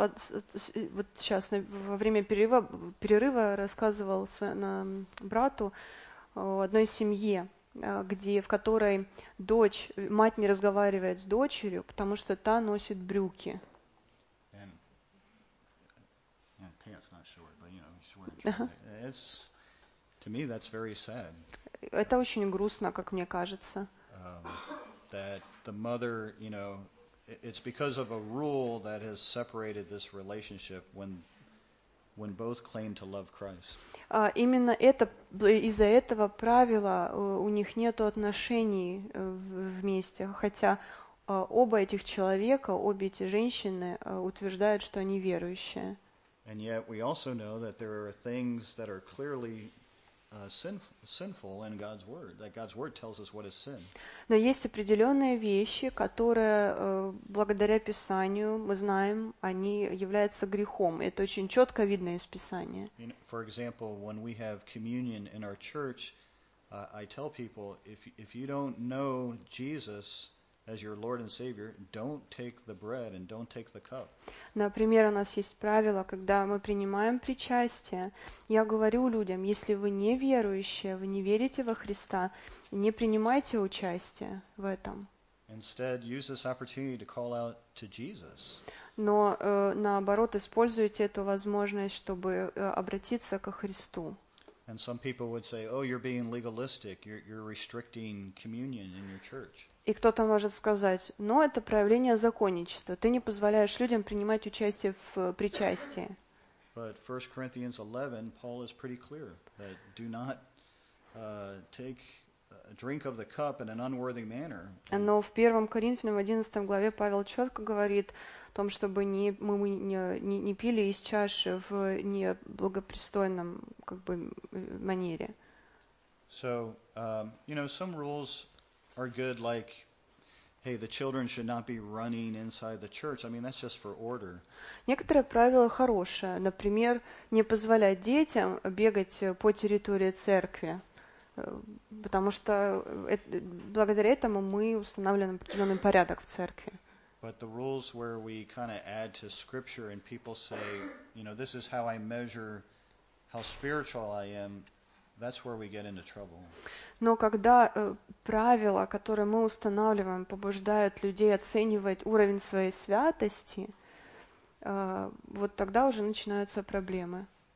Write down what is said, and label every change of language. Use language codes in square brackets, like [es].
[ru] Вот сейчас во время перерыва рассказывал брату одной семье, в которой мать не разговаривает с дочерью, потому что та носит брюки. [en] And pants not short, but you know, she's wearing shorts. It's to me that's very sad. [ru] Это очень грустно, как мне кажется. [en] That the mother, you know, it's because of a rule that has separated this relationship when both claim to love Christ. [ru] Именно это из-за этого правила у них нету отношений вместе, хотя оба этих человека, обе эти женщины утверждают, что они верующие. [en] And yet we also know that there are things that are clearly sinful in God's word. That God's word tells us what is sin. [ru] Но есть определённые вещи, которые, благодаря Писанию, мы знаем, они являются грехом. Это очень чётко видно из Писания. [en] For example, when we have communion in our church, I tell people if you don't know Jesus as your Lord and Savior, don't take the bread and don't take the cup. [ru] Например, у нас есть правило, когда мы принимаем причастие, я говорю людям, если вы не верующие, вы не верите во Христа, не принимайте участие в этом. [en] Instead, use this opportunity to call out to Jesus. [ru] Но наоборот, используйте эту возможность, чтобы обратиться ко Христу. [en] And some people would say, "Oh, you're being legalistic. You're restricting communion in your church." [ru] И кто-то может сказать, ну, это проявление законничества. Ты не позволяешь людям принимать участие в причастии. [en] But 1 Corinthians 11, Paul is pretty clear that do not take a drink of the cup in an unworthy manner. [ru] Но в 1 Коринфянам 11 главе Павел четко говорит о том, чтобы мы не пили из чаши в неблагопристойном манере. [en] So, you know, some rules are good, like, hey, the children should not be running inside the church. I mean, that's just for order. [ru] Некоторые правила хорошие. Например, не позволять детям бегать по территории церкви, потому что благодаря этому мы устанавливаем определенный порядок в церкви. [en] But the rules where we kind of add to scripture and people say, you know, this is how I measure how spiritual I am, that's where we get into trouble. [ru] Но когда правила, которые мы устанавливаем, побуждают людей оценивать уровень своей святости, вот тогда уже начинаются проблемы.